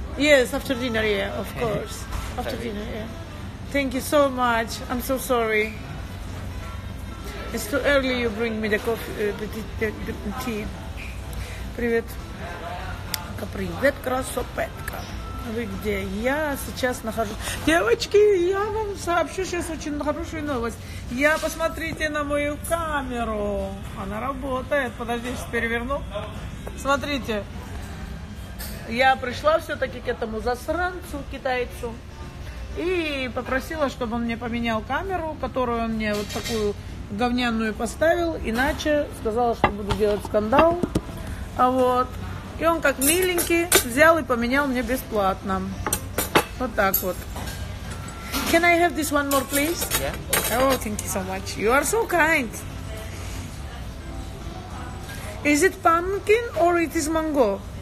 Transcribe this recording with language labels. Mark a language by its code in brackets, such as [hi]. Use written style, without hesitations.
[en] Yes, after dinner, yeah, okay. Of course. After dinner, yeah. Thank you so much. I'm so sorry. It's too early you bring me the coffee, the tea. [ru] Привет. Привет, красопетка. Вы где? Я сейчас нахожусь. Девочки, я вам сообщу сейчас очень хорошую новость. Я, посмотрите на мою камеру. Она работает. Подожди, сейчас переверну. Смотрите. Я пришла все-таки к этому засранцу китайцу. И попросила, чтобы он мне поменял камеру, которую он мне вот такую говняную поставил. Иначе сказала, что буду делать скандал. А вот. И он как миленький взял и поменял мне бесплатно. Вот так вот. [en] Can I have this one more, please? Yeah. Oh, thank you so much. You are so kind. Is it pumpkin or it is mango?